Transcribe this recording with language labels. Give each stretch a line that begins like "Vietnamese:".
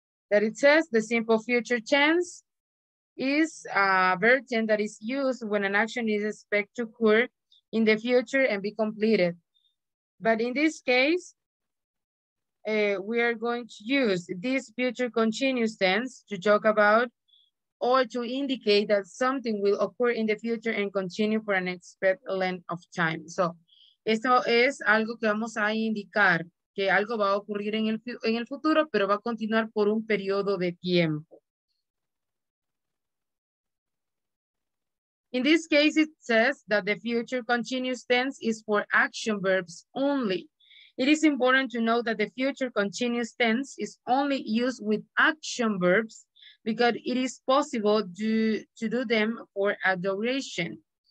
English: That it says the simple future tense is a verb tense that is used when an action is expected to occur in the future and be completed. But in this case, we are going to use this future continuous tense to talk about or to indicate that something will occur in the future and continue for an expected length of time.
Spanish: So, esto es algo que vamos a indicar. Que algo va a ocurrir en el futuro, pero va a continuar por un periodo de tiempo.
English: In this case, it says that the future continuous tense is for action verbs only. It is important to know that the future continuous tense is only used with action verbs because it is possible to do them for a duration.